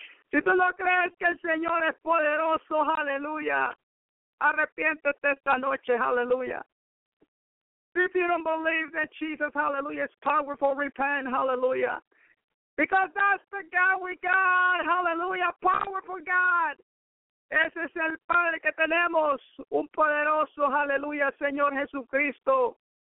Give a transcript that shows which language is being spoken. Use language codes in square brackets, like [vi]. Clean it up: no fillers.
[es] Si tú no crees que el Señor es poderoso, aleluya, arrepiéntete esta noche, aleluya. [en] If you don't believe that Jesus, hallelujah, is powerful, repent, hallelujah. Because that's the God we got, hallelujah, powerful God. [es] Ese es el Padre que tenemos, un poderoso, aleluya, Señor Jesucristo.